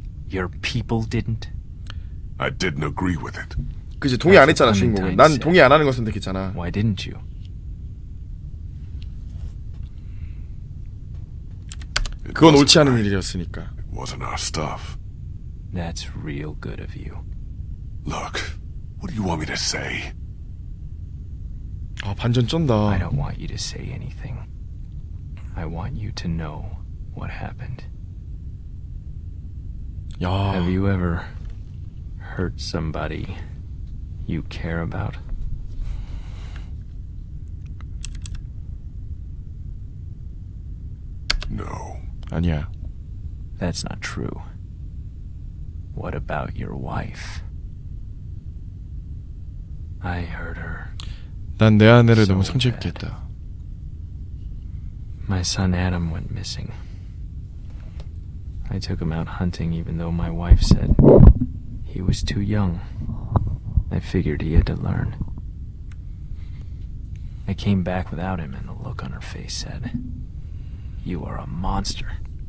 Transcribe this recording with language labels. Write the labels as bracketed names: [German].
[English] Your people didn't. I didn't agree with it. [Korean] 그치, 동의 안 했잖아, 주인공은. 난 동의 안 하는 걸 선택했잖아. Why didn't you? It 그건 옳지 않은 right. 일이었으니까. [English] It wasn't our stuff. That's real good of you. Look, what do you want me to say? [Korean] 아, 반전 쩐다. [English] I don't want you to say anything. I want you to know what happened. [Korean] 야. [English] Have you ever hurt somebody you care about? [Korean] 아니야. [English] That's not true. What about your wife? I hurt her. [Korean] 난 내 아내를 so 너무 상처입게 했다. [English] My son Adam went missing. I took him out hunting even though my wife said he was too young. I figured he had to learn. I came back without him and the look on her face said, "You are a monster."